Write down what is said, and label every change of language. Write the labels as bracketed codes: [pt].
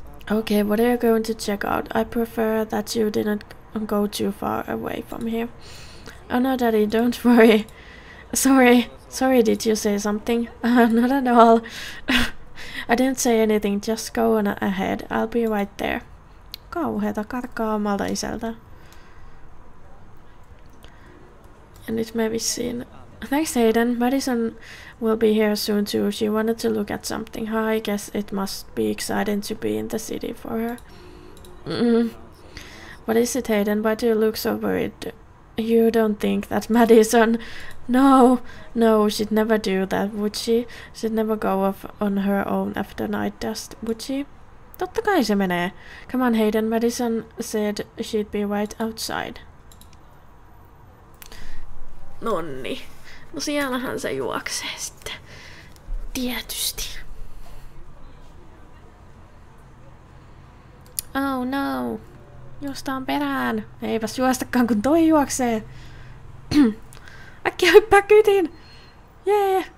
[en] Okay, what are you going to check out? I prefer that you didn't go too far away from here. Oh no, Daddy, don't worry. Sorry, did you say something? Not at all. I didn't say anything, just go on ahead. I'll be right there. [fi] Kauheeta, karkaa omalta isältä. Ja nyt me vissiin. [en] Thanks, [fi] Hayden. [en] Madison will be here soon too. She wanted to look at something. I guess it must be exciting to be in the city for her. What is it, Hayden? Why do you look so worried? You don't think that Madison... No, she'd never do that, would she? She'd never go off on her own after Night Dust, would she? [fi] Totta kai se menee. [en] Come on, Hayden, Madison said she'd be right outside. [fi] Nonni. No siellähän se juoksee sitten. Tietysti. [en] Oh no. [fi] Juostaan perään. Eipäs juostakaan, kun toi juoksee. Äkkiä hyppää kyytiin! Jee!